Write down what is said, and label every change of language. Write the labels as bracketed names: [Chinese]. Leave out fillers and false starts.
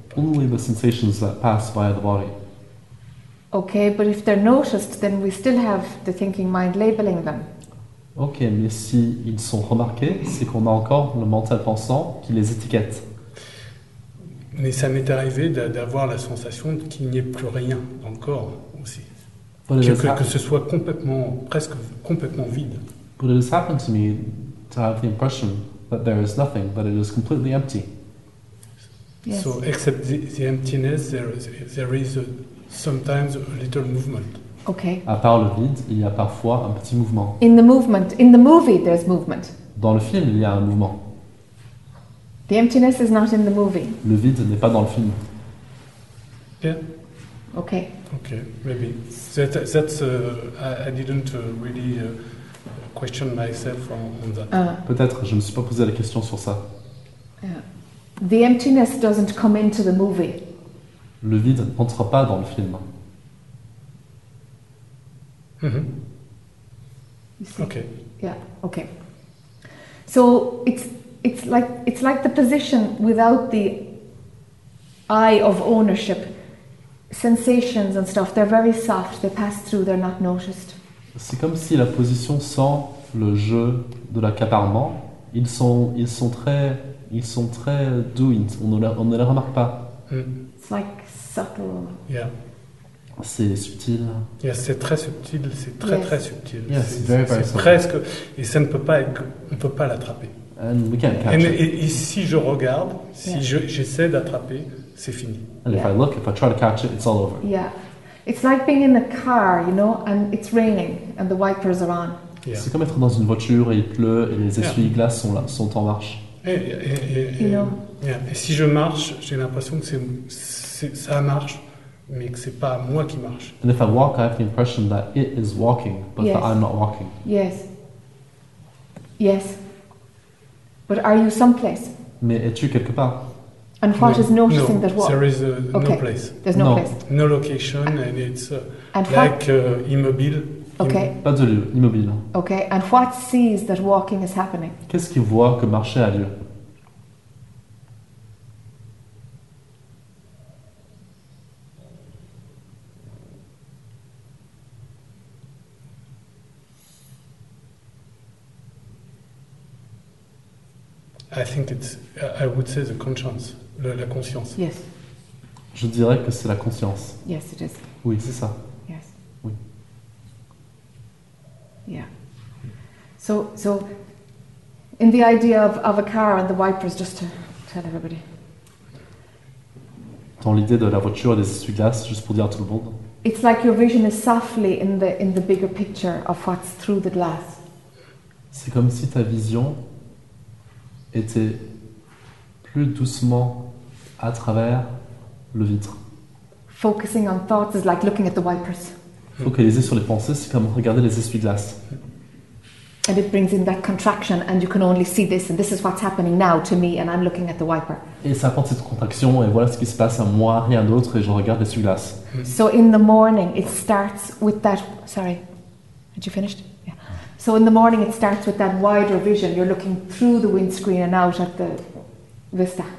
[English] Only the sensations that pass via the body. Okay, but if they're noticed, then we still have the thinking mind labeling them. [French] Ok, mais si ils sont remarqués, c'est qu'on a encore le mental pensant qui les étiquette. Mais ça m'est arrivé d'avoir la sensation qu'il n'y ait plus rien dans le corps aussi. Que ce soit presque complètement vide. [English] But it has happened to me to have the impression that there is nothing, that it is completely empty. Yes. So, except the emptiness, there is sometimes a little movement. Okay. [French] À part le vide, il y a parfois un petit mouvement. [English] In the movement, in the movie, there's movement. [French] Dans le film, il y a un mouvement. [English] The emptiness is not in the movie. [French] Le vide n'est pas dans le film. [English] Yeah. Okay. Okay, maybe. That's I didn't really question myself on that. [French] Peut-être, je ne me suis pas posé la question sur ça. [English] Yeah. The emptiness doesn't come into the movie. [French] Le vide n'entre pas dans le film. [English] Mm-hmm. Okay. Yeah. Okay. So it's like the position without the eye of ownership, sensations and stuff. They're very soft. They pass through. They're not noticed. [French] C'est comme si la position sans le jeu de l'accaparement, ils sont très doux. On ne les remarque pas. Mm. [English] It's like subtle. Yeah. [French] C'est subtil. Yes, c'est très subtil, c'est très très subtil. Yes, c'est very subtil. Presque, et ça ne peut pas être, on ne peut pas l'attraper. [English] And we can't catch it. [French] Et si je regarde, si j'essaie d'attraper, c'est fini. [English] And if I look, if I try to catch it, it's all over. Yeah. It's like being in a car, you know, and it's raining, and the wipers are on. Yeah. [French] C'est comme être dans une voiture, et il pleut, et les essuie-glaces sont là, sont en marche. Et si je marche, j'ai l'impression que ça marche. mais que c'est pas moi qui marche. [English] And if I walk, I have the impression that it is walking, but that I'm not walking. Yes. Yes. But are you someplace? [French] Mais es-tu quelque part? [English] And what is noticing that what? There is no place. There's no place. No location, and it's and like immobile. Okay. [French] Pas de lieu, immobile. [English] Okay. And what sees that walking is happening? [French] Qu'est-ce qui voit que marcher a lieu? [English] I think it's. I would say the conscience, la conscience. Yes. [French] Je dirais que c'est la conscience. [English] Yes, it is. [French] Oui, c'est ça. Yes. Oui. [English] Yeah. So, in the idea of a car and the wipers, just to tell everybody. [French] Dans l'idée de la voiture et des essuie-glaces, juste pour dire à tout le monde. [English] It's like your vision is softly in the bigger picture of what's through the glass. [French] C'est comme si ta vision était plus doucement à travers le vitre. [English] Focusing on thoughts is like looking at the wipers. [French] Focaliser sur les pensées, c'est comme regarder les essuie-glaces. [English] And it brings in that contraction, and you can only see this, and this is what's happening now to me, and I'm looking at the wiper. [French] Et ça apporte cette contraction, et voilà ce qui se passe à moi, rien d'autre, et je regarde l'essuie-glace. [English] So in the morning, it starts with that. Sorry, had you finished? So in the morning it starts with that wider vision. You're looking through the windscreen and out at the vista.